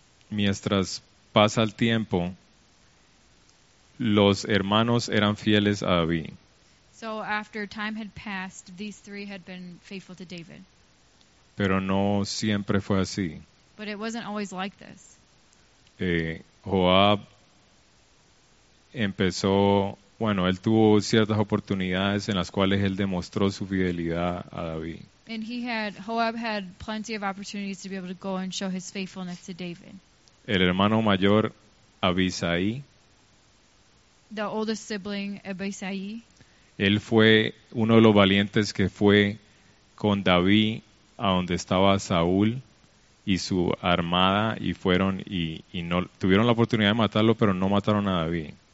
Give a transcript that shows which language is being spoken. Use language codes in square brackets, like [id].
[es] mientras pasa el tiempo, los hermanos eran fieles a David. [en] So after time had passed, these three had been faithful to David. [es] Pero no siempre fue así. [en] But it wasn't always like this. [es] Joab empezó, bueno, él tuvo ciertas oportunidades en las cuales él demostró su fidelidad a David. [en] And Joab had plenty of opportunities to be able to go and show his faithfulness to David. [es] El hermano mayor, Abisai. [en] The oldest sibling, Abisai. [es] Él fue uno de los valientes que fue con David a donde estaba Saúl y su armada y fueron y no tuvieron la oportunidad de matarlo, pero no mataron a David.